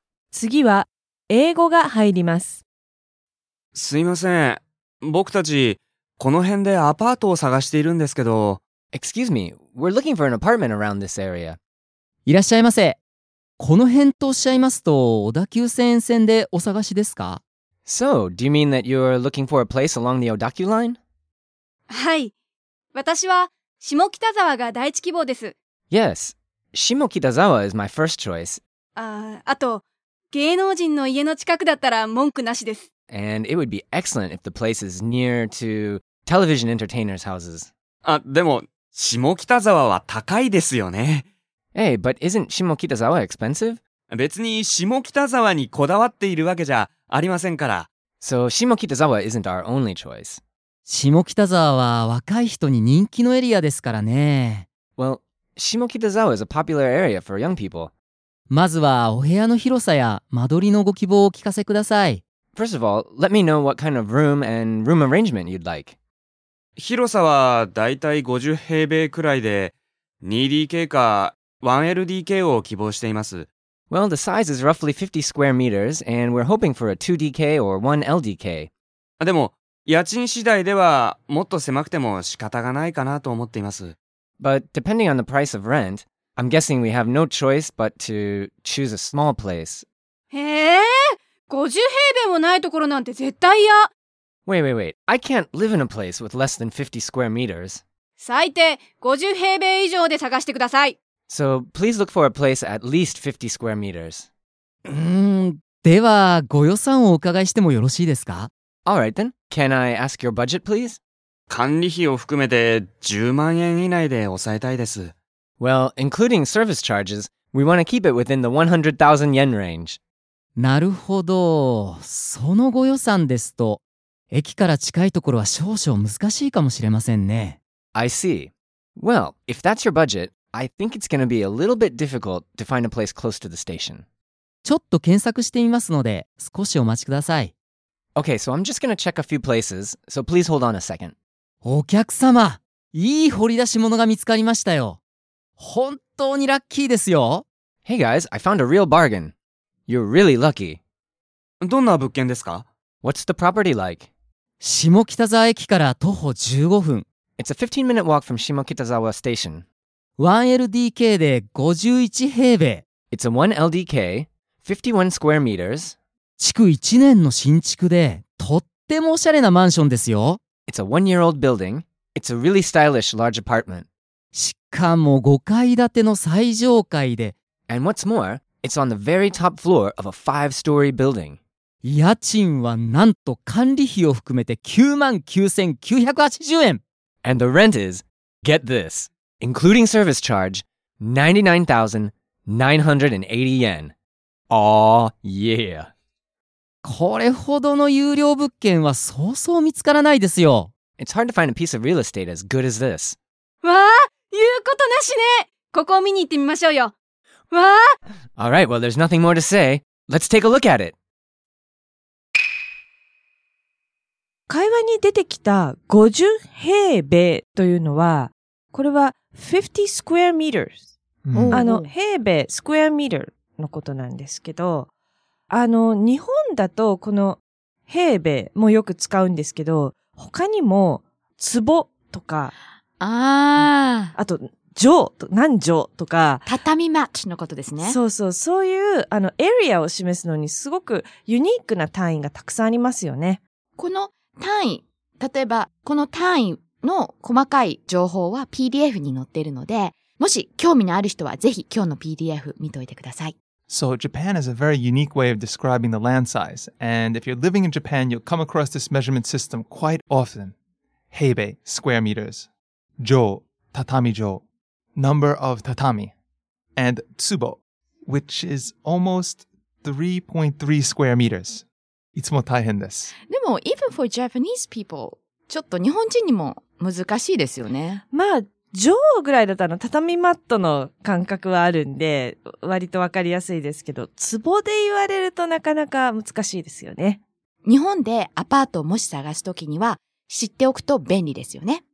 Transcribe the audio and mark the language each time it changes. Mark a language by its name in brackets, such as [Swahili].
[Japanese] 次は英語が入ります。すいません、僕たちこの辺でアパートを探しているんですけど。 [English] Excuse me, we're looking for an apartment around this area. [Japanese] いらっしゃいませ。この辺とおっしゃいますと、小田急線線でお探しですか？ [English] So, do you mean that you're looking for a place along the Odakyu line? [Japanese] はい。私は下北沢が第一希望です。 [English] Yes, 下北沢 is my first choice. [Japanese] あと、芸能人の家の近くだったら文句なしです。 [English] And it would be excellent if the place is near to television entertainers' houses. [Japanese] あ、でも下北沢は高いですよね。 [English] Hey, but isn't 下北沢 expensive? [Japanese] 別に下北沢にこだわっているわけじゃありませんから。 [English] So 下北沢 isn't our only choice. [Japanese] 下北沢は若い人に人気のエリアですからね。 [English] Well, 下北沢 is a popular area for young people. [Japanese] まずはお部屋の広さや間取りのご希望をお聞かせください。 [English] First of all, let me know what kind of room and room arrangement you'd like. [Japanese] 広さはだいたい50平米くらいで、2DK か 1LDK を希望しています。 [English] Well, the size is roughly 50 square meters, and we're hoping for a 2DK or 1LDK. [Japanese] でも、家賃次第ではもっと狭くても仕方がないかなと思っています。 [English] But depending on the price of rent, I'm guessing we have no choice but to choose a small place. [Japanese] へえ、50平米もないところなんて絶対嫌。 [English] Wait. I can't live in a place with less than 50 square meters. [Japanese] 最低50平米以上で探してください。 [English] So, please look for a place at least 50 square meters. [Japanese] では、ご予算をお伺いしてもよろしいですか? [English] Alright then. Can I ask your budget, please? [Japanese] 管理費を含めて10万円以内で抑えたいです。 [English] Well, including service charges, we want to keep it within the 100,000 yen range. [Japanese] なるほど。そのご予算ですと、駅から近いところは少々難しいかもしれませんね。 [English] I see. Well, if that's your budget, I think it's going to be a little bit difficult to find a place close to the station. [Japanese] ちょっと検索してみますので、少しお待ちください。 [English] Okay, so I'm just gonna check a few places, so please hold on a second. [Japanese] お客様、いい掘り出し物が見つかりましたよ。本当にラッキーですよ。 [English] Hey guys, I found a real bargain. You're really lucky. [Japanese] どんな物件ですか? [English] What's the property like? [Japanese] 下北沢駅から徒歩15分。 [English] It's a 15-minute walk from 下北沢 station. [Japanese] 1LDK で51平米。 [English] It's a 1LDK, 51 square meters. [Japanese] 築1年の新築で、とってもおしゃれなマンションですよ。 [English] It's a 1-year-old building. It's a really stylish large apartment. [Japanese] しかも5階建ての最上階で。 [English] And what's more, it's on the very top floor of a 5-story building. [Japanese] 家賃はなんと管理費を含めて99,980円。 [English] And the rent is, get this, including service charge, 99,980 yen. Aw, yeah. [Japanese] これほどの優良物件はそうそう見つからないですよ。 [English] It's hard to find a piece of real estate as good as this. [Japanese] わあ、言うことなしね。ここを見に行ってみましょうよ。わあ。 [English] All right, well, there's nothing more to say. Let's take a look at it. [Japanese] 会話に出てきた50平米というのは、これは [English] 50 square meters。 [Japanese] 平米、スクエアメートルのことなんですけど、日本だとこの平米もよく使うんですけど、他にも、坪とか、あと、畳、何畳とか、畳マッチのことですね。そうそう、そういう、エリアを示すのにすごくユニークな単位がたくさんありますよね。この単位、例えば、この単位の細かい情報は PDF に載っているので、もし興味のある人はぜひ今日の PDF 見ておいてください。 [English] So Japan is a very unique way of describing the land size. And if you're living in Japan, you'll come across this measurement system quite often. 平米 square meters. 畳 tatami 畳 number of tatami. And tsubo, which is almost 3.3 square meters. [Japanese] いつも大変です。でも [English] even for Japanese people, [Japanese] ちょっと日本人にも難しいですよね。まあ、上ぐらいだったら畳マットの感覚はあるんで、割とわかりやすいですけど、壺で言われるとなかなか難しいですよね。日本でアパートをもし探すときには知っておくと便利ですよね。